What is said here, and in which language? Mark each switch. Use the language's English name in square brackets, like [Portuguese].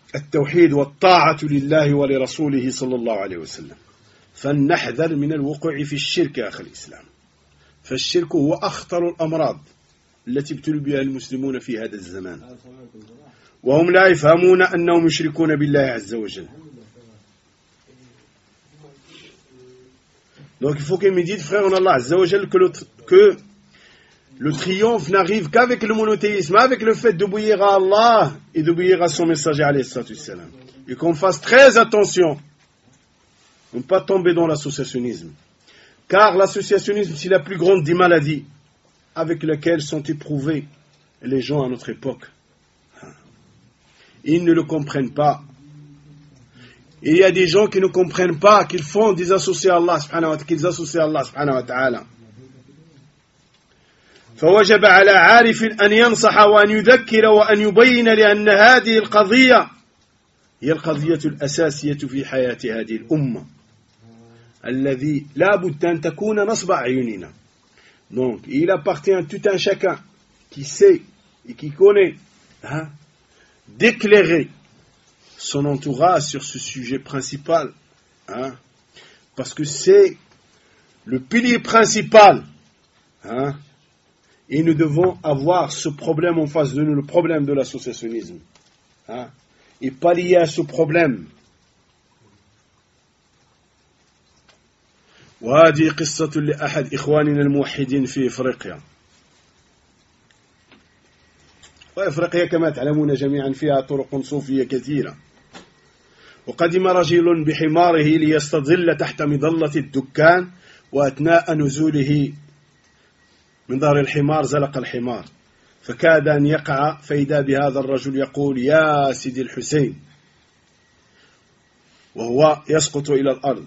[Arabic] التوحيد والطاعة لله ولرسوله صلى الله عليه وسلم فلنحذر من الوقوع في الشرك أخي الإسلام فالشرك هو أخطر الأمراض التي ابتلوا بها المسلمون في هذا الزمان وهم لا يفهمون أنهم يشركون بالله عز وجل [French] donc il faut qu'il me dise frère en Allah عز وجل que le triomphe n'arrive qu'avec le monothéisme, avec le fait d'obéir à Allah et d'obéir à son messager, alayhi salatu wassalam. Et qu'on fasse très attention de ne pas tomber dans l'associationnisme. Car l'associationnisme, c'est la plus grande des maladies avec lesquelles sont éprouvés les gens à notre époque. Ils ne le comprennent pas. Et il y a des gens qui ne comprennent pas qu'ils font des associés à Allah, subhanahu wa ta'ala, qu'ils associent à Allah, subhanahu wa ta'ala. [Arabic] فوجب على عارف أن ينصح وأن يذكر وأن يبين لأن هذه القضية هي القضية الأساسية في حياة هذه الأمة الذي لا بد أن تكون نصب عيوننا. [French] Donc il appartient tout un chacun qui sait et qui connaît, hein, d'éclairer son entourage sur ce sujet principal, hein, parce que c'est le pilier principal, hein, Et nous devons avoir ce problème en face de nous, le problème de l'associationnisme. Hein? Et pallier à ce problème. [Arabic] وهذه قصة لأحد إخواننا الموحدين في إفريقيا. وإفريقيا كما تعلمون جميعا فيها طرق صوفية كثيرة. وقدم رجل بحماره ليستظل تحت مظلة الدكان، وأثناء نزوله من ظهر الحمار زلق الحمار، فكاد أن يقع، فإذا بهذا الرجل يقول يا سيدي الحسين، وهو يسقط إلى الأرض.